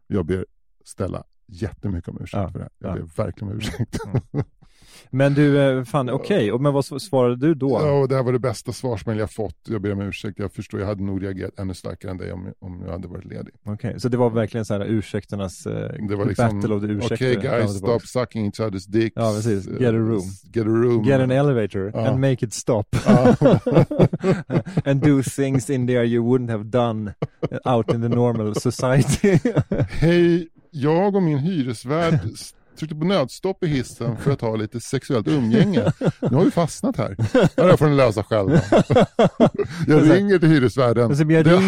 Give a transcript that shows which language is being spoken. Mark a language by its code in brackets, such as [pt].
[sv] Jag ber ställa jättemycket om ursäkt för det här. Jag ber verkligen om ursäkt. Mm. Men du, fan, okej. Okay. Men vad svarade du då? Ja, det här var det bästa svarsmedel jag fått. Jag ber om ursäkt. Jag förstår, jag hade nog reagerat ännu starkare än dig om jag hade varit ledig. Okej, okay. Så det var verkligen så här ursäkternas [en] battle of the [sv] ursäkter. [en] Okej, okay, guys, stop sucking each other's dicks. [sv] Ja, precis. [en] Get a room. Get a room. Get an elevator and make it stop. And do things in there you wouldn't have done out in the normal society. [sv] Hej, jag och min hyresvärd... tryckte på nödstopp i hissen för att ha lite sexuellt umgänge. Nu har vi fastnat här. Jag får den lösa själv. Jag ringer till hyresvärden.